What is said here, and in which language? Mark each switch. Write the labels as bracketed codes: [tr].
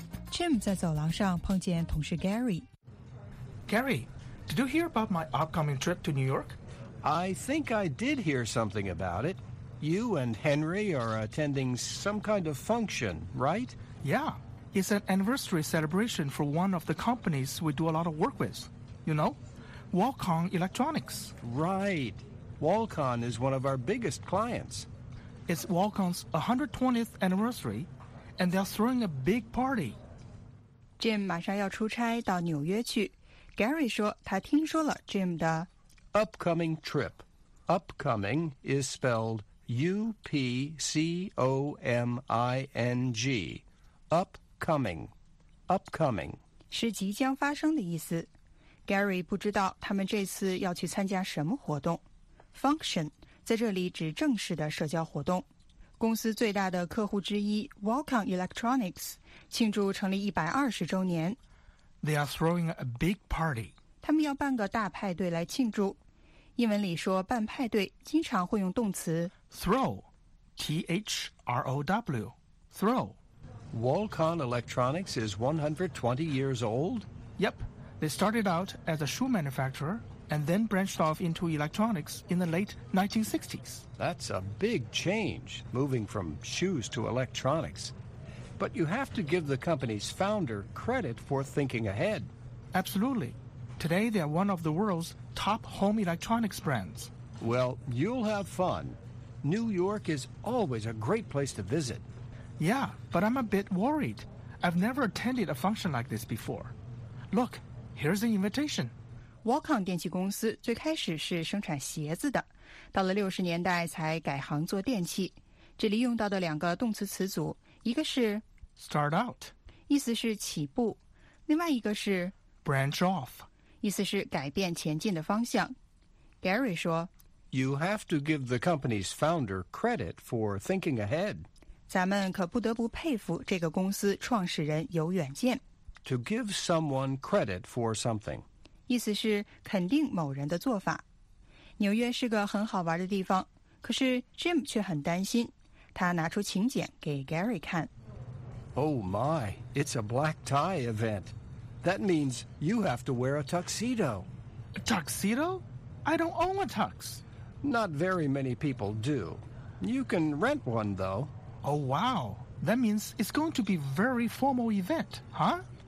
[zh] Jim 在走廊上碰见同事 Gary. [en] Gary, did you hear about my upcoming trip to New York? I think I did hear something about it. You and Henry are attending some kind of function, right? Yeah. It's an anniversary celebration for one of the companies we do a lot of work with. You know, Walcon Electronics. Right. Walcon is one of our biggest clients. It's Walcon's 120th anniversary, and they're throwing a big party. [zh] Jim 马上要出差到纽约去。Gary 说他听说了 Jim 的 [en] Upcoming trip. Upcoming is spelled U-P-C-O-M-I-N-G. Upcoming. Upcoming. [zh] 是即将发生的意思。 Gary 不知道他们这次要去参加什么活动。 Function 在这里指正式的社交活动。公司最大的客户之一 Walcon Electronics 庆祝成立120周年。 [en] They are throwing a big party. [zh] 他们要办个大派对来庆祝。英文里说办派对经常会用动词 [en] throw, T-H-R-O-W, throw. Walcon Electronics is 120 years old? Yep. They started out as a shoe manufacturer and then branched off into electronics in the late 1960s. That's a big change, moving from shoes to electronics. But you have to give the company's founder credit for thinking ahead. Absolutely. Today, they are one of the world's top home electronics brands. Well, you'll have fun. New York is always a great place to visit. Yeah, but I'm a bit worried. I've never attended a function like this before. Look, here's an invitation. [zh] Walcon 电器公司最开始是生产鞋子的，到了60年代才改行做电器。这里用到的两个动词词组，一个是 [en] start out， [zh] 意思是起步，另外一个是 [en] branch off， [zh] 意思是改变前进的方向。 Gary 说， [en] You have to give the company's founder credit for thinking ahead. [zh] 咱们可不得不佩服这个公司创始人有远见。 [en] To give someone credit for something. [zh] 意思是肯定某人的做法。纽约是个很好玩的地方，可是 Jim 却很担心。他拿出请柬给 Gary 看。 [en] Oh my, it's a black tie event. That means you have to wear a tuxedo. A tuxedo? I don't own a tux. Not very many people do. You can rent one, though. Oh, wow. That means it's going to be a very formal event, huh?